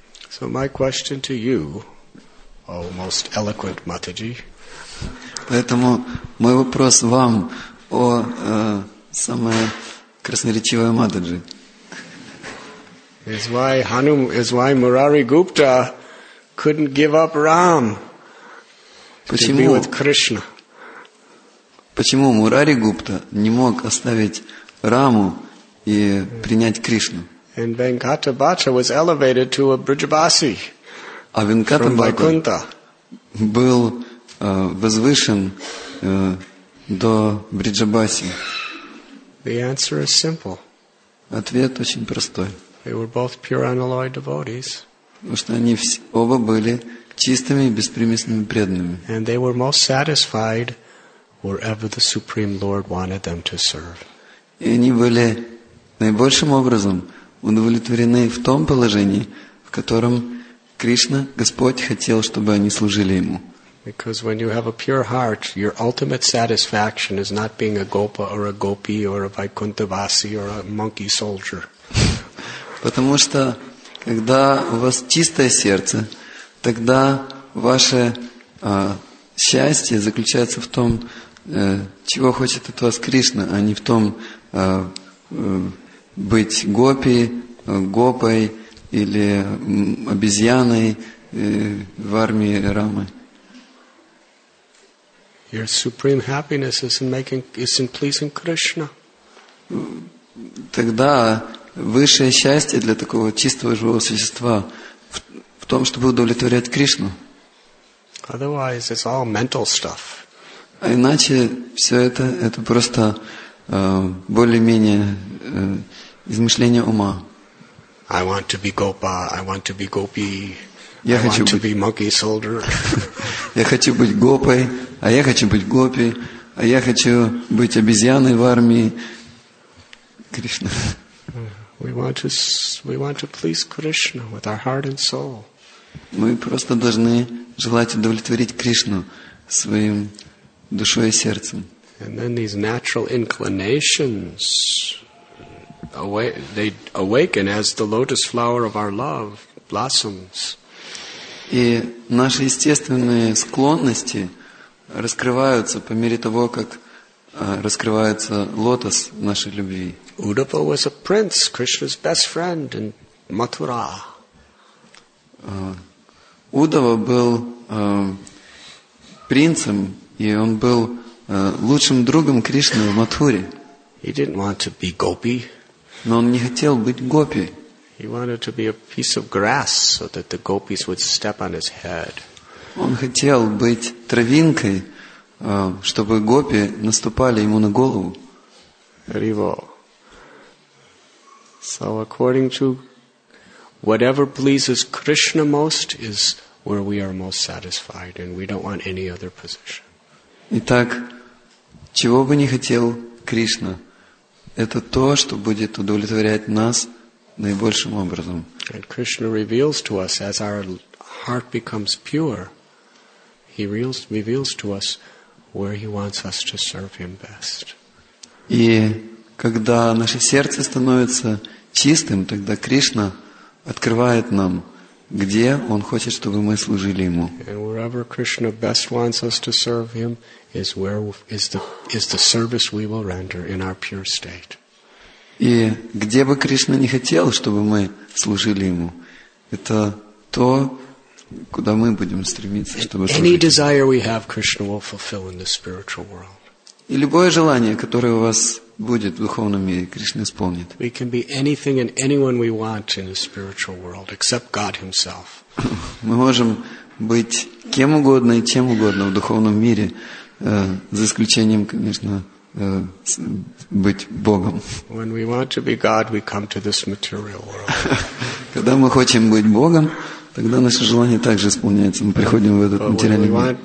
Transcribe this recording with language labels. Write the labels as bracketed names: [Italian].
[English] So my question to you, O most eloquent Mataji. [Russian] Поэтому мой вопрос вам, о самая красноречивая Матаджи. [English] Is why Murari Gupta couldn't give up Ram to be with Krishna. [Russian] Почему Мурари Гупта не мог оставить Раму и принять Кришну? [English] And Venkata Bhatta was elevated to a Brijabasi. [Russian] А Венката Бхатта был возвышен до Бриджабаси. [English] The answer is simple. [Russian] Ответ очень простой. [English] They were both pure unalloyed devotees. [Russian] Потому что они оба были чистыми и беспримесными преданными. [English] And they were most satisfied wherever the Supreme Lord wanted them to serve. [Russian] И они были наибольшим образом удовлетворены в том положении, в котором Кришна, Господь хотел, чтобы они служили ему. [English] Because when you have a pure heart, your ultimate satisfaction is not being a gopa or a gopi or a Vaikunthavasi or a monkey soldier. [Russian] Потому что когда у вас чистое сердце, тогда ваше счастье заключается в том, чего хочет от вас Кришна, а не в том быть гопи, гопой или обезьяной в армии Рамы. [English] Your supreme happiness is in pleasing Krishna. [Russian] Тогда высшее счастье для такого чистого живого существа в том, чтобы удовлетворять Кришну. [English] Otherwise, it's all mental stuff. [Russian] А иначе все это просто более-менее измышление ума. [English] I want to be Gopa, I want to be Gopi, [Russian] я [English] I [Russian] хочу [English] want [Russian] быть... [English] to be monkey soldier. [Russian] Я хочу быть Гопой, а я хочу быть Гопи, а я хочу быть обезьяной в армии Кришны. [English] We want to please Krishna with our heart and soul. [Russian] Мы просто должны желать удовлетворить Кришну своим душой и сердцем. [English] And then these natural inclinations they awaken as the lotus flower of our love blossoms. [Russian] И наши естественные склонности раскрываются по мере того, как раскрывается лотос нашей любви. [English] Uddhava was a prince, Krishna's best friend in Mathura. [Russian] Uddhava был принцем, и он был лучшим другом Кришны в Матхуре. [English] He didn't want to be gopi. [Russian] Но он не хотел быть гопи. [English] He wanted to be a piece of grass so that the gopis would step on his head. [Russian] Он хотел быть травинкой, чтобы гопи наступали ему на голову. Риво. [English] So according to whatever pleases Krishna most is where we are most satisfied, and we don't want any other position. [Russian] Итак, чего бы не хотел Кришна, это то, что будет удовлетворять нас наибольшим образом. [English] And Krishna reveals to us as our heart becomes pure. He reveals to us where he wants us to serve him best. [Russian] И когда наше сердце становится чистым, тогда Кришна открывает нам, где он хочет, чтобы мы служили ему. [English] And wherever Krishna best wants us to serve him is where is the service we will render in our pure state. [Russian] И где бы Кришна не хотел, чтобы мы служили ему, это то, куда мы будем стремиться, чтобы служить. [English] Any desire we have, Krishna will fulfill in the spiritual world. [Russian] И любое желание, которое у вас будет в духовном мире, Кришна исполнит. [English] We can be anything and anyone we want in the spiritual world, except God Himself. [Russian] Мы можем быть кем угодно и чем угодно в духовном мире, за исключением, конечно, быть Богом. [English] When we want to be God, we come to this material world. [Russian] Когда мы хотим быть Богом, тогда наше желание также исполняется. Мы приходим в этот материальный мир.